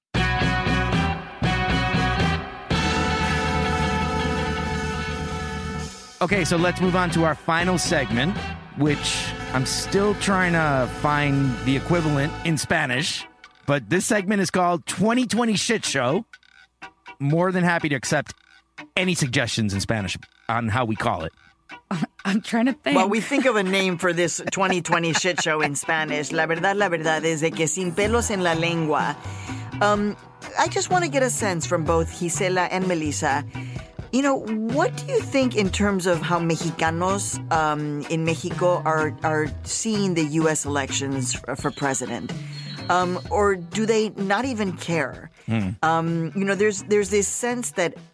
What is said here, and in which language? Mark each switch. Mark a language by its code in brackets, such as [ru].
[en] Okay, so let's move on to our final segment, which I'm still trying to find the equivalent in Spanish, but this segment is called 2020 Shit Show. More than happy to accept any suggestions in Spanish on how we call it. I'm trying to think. Well, we think of a name for this 2020 Shit Show in Spanish. [es] La verdad es de que sin pelos en la lengua. [en] I just want to get a sense from both Gisela and Melissa. You know, what do you think in terms of how Mexicanos in Mexico are seeing the U.S. elections for president? Or do they not even care? You know, there's this sense that